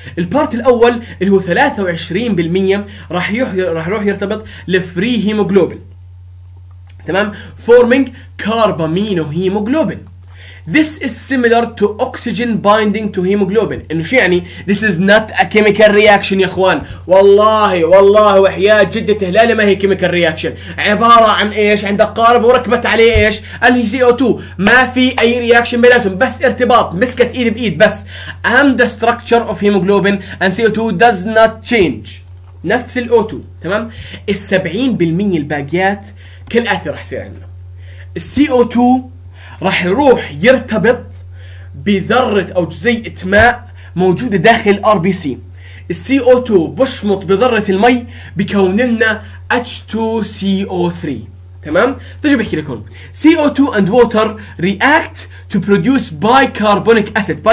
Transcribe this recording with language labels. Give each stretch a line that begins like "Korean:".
Arabic: البارت الأول اللي هو 23% راح يروح يرتبط لفري هيموغلوبين، تمام؟
English: forming carbamino hemoglobin. This is similar to oxygen binding to hemoglobin.
Arabic: إنه شو يعني؟
English: This is not a chemical reaction
Arabic: يا إخوان. والله والله وحياة جدة تهلالي ما هي chemical reaction. عبارة عن إيش؟ عندك قارب وركبت عليه إيش؟ ال CO2. ما في أي reaction بيناتهم، بس ارتباط مسكت إيد بإيد بس.
English: And the structure of hemoglobin and CO2 does not change.
Arabic: نفس الـ O2، تمام؟ الـ 70% الباقيات كالآتي راح يصير عندنا. الـ CO2 راح يروح يرتبط بذرة أو جزيئة ماء موجودة داخل الـ RBC. الـ CO2 بشمط بذرة المي بكون لنا H2CO3، تمام؟ تجي بحكي لكم
English: CO2 and water react to produce bicarbonic acid.